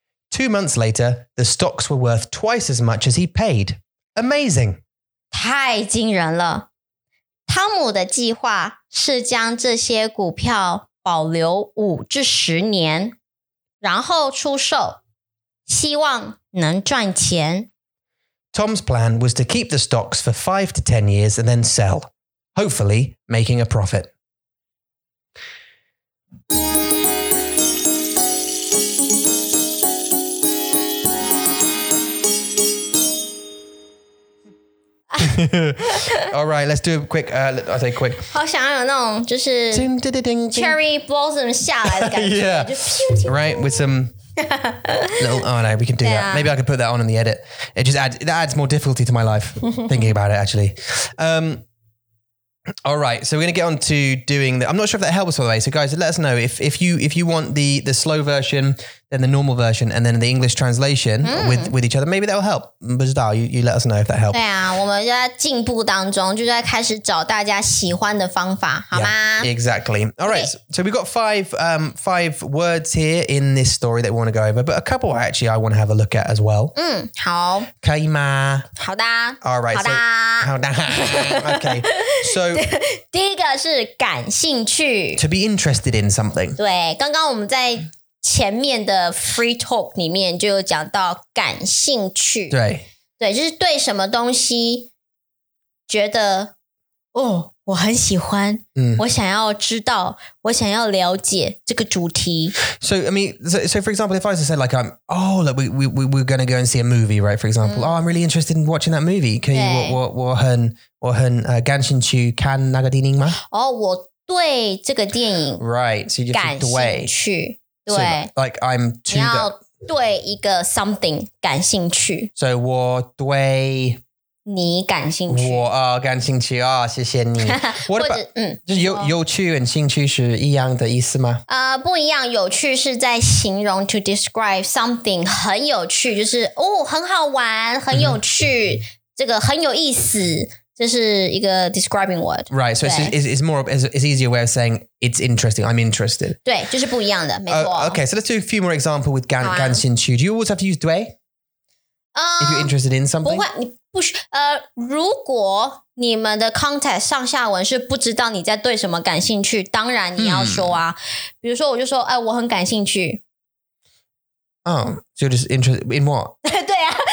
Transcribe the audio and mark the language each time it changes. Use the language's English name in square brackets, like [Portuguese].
[English] 2 months later, the stocks were worth twice as much as he paid. Amazing! [Chinese] 太惊人了。汤姆的计划是将这些股票保留5-10年,然后出售,希望能赚钱。 [English] Tom's plan was to keep the stocks for 5 to 10 years and then sell, hopefully making a profit. All right, let's do a quick, I'll say quick. [Chinese] 好想要有那种就是 ding, ding, ding, ding. [English] Cherry blossom [Chinese] 下来的感觉 [English] Yeah, right, with some little, oh no, we can do that. Maybe I could put that on in the edit. It just adds, that adds more difficulty to my life, thinking about it actually. All right, so we're going to get on to doing the, I'm not sure if that helps by the way. So guys, let us know if you want the slow version, then the normal version, and then the English translation with each other. Maybe that will help. [Chinese] 不知道, [English] you let us know if that helps. [Chinese] 对啊，我们就在进步当中，就在开始找大家喜欢的方法，好吗？ [English] Yeah, exactly. All right, okay. So we've got five words here in this story that we want to go over, but a couple actually I want to have a look at as well. [Chinese] 好。可以吗？好的。 [English] All right. [Chinese] 好的。好的。Okay. So, 第一个是感兴趣。 [English] To be interested in something. [Chinese] 对，刚刚我们在前面的 [English] free talk [Chinese] 里面就有讲到感兴趣。对。对，就是对什么东西觉得，哦，我很喜欢，我想要知道，我想要了解这个主题。 [English] So, I mean, so for example, if I was to say like, we're going to go and see a movie, right? For example, I'm really interested in watching that movie. [Chinese] 可以我很感兴趣看那个电影吗？哦，我对这个电影 [English] ，right, so you just [Chinese] 感兴趣。对 [English] so, like I'm too [Chinese] 你要对一个 something 感兴趣 so 我对你感兴趣我、感兴趣、谢谢你 [English] what about, [Chinese] 就是 有趣和兴趣是一样的意思吗不一样有趣是在形容 [English] to describe something [Chinese] 很有趣就是哦很好玩很有趣、这个很有意思这是一个 [English] describing word. Right, so it's easier way of saying it's interesting, I'm interested. [Chinese] 对,就是不一样的,没错。 [English] Okay, so let's do a few more examples with 感兴趣. Do you always have to use 对?If you're interested in something? [Chinese] 不会,你不需,如果你们的 context 上下文是不知道你在对什么感兴趣,当然你要说啊。比如说我就说,我很感兴趣。 [English] Oh, so you're just interested in what? [Chinese] 对啊。